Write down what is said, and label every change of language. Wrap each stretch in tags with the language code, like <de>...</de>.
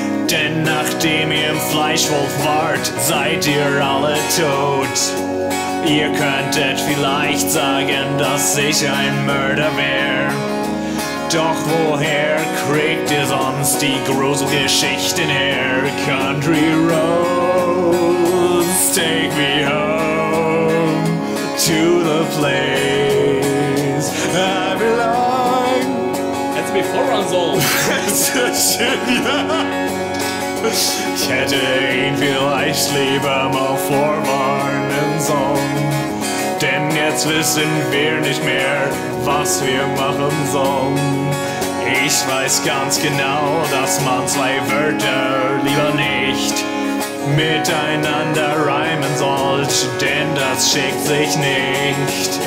<de>Denn nachdem ihr im Fleischwolf wart, seid ihr alle tot. Ihr könntet vielleicht sagen, dass ich ein Mörder wär. Doch woher kriegt ihr sonst die gruselige Geschichte her?</de> <en>Country roads, take me home to the place I belong.</en> <de>Hätte mich voran sollen. Ich hätte ihn vielleicht lieber mal vorwarnen sollen. Denn jetzt wissen wir nicht mehr, was wir machen sollen. Ich weiß ganz genau, dass man zwei Wörter lieber nicht miteinander reimen sollte, denn das schickt sich nicht.</de>